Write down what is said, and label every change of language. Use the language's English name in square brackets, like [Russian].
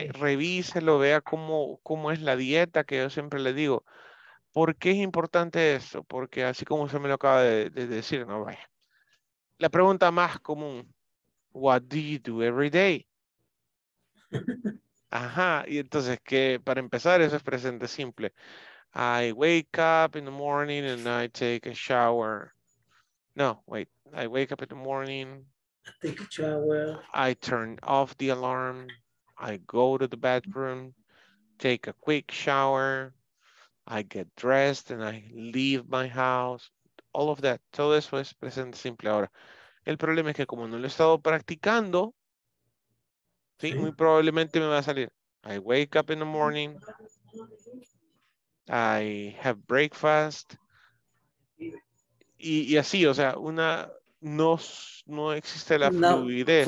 [Spanish] Revíselo, vea cómo es la dieta que yo siempre le digo. ¿Por qué es importante eso? Porque así como usted me lo acaba de decir, no vaya. La pregunta más común, [English] what do you do every day? [Spanish] Ajá, y entonces que para empezar eso es presente simple. [English] I wake up in the morning and I take a shower. No, wait. I wake up in the morning. I take a shower. I turn off the alarm. I go to the bathroom. Take a quick shower. I get dressed and I leave my house. All of that. [Spanish] Todo eso es presente simple. Ahora, el problema es que como no lo he estado practicando, sí, muy probablemente me va a salir. [English] I wake up in the morning. I have breakfast. [Spanish] Y así, o sea, no existe la fluidez.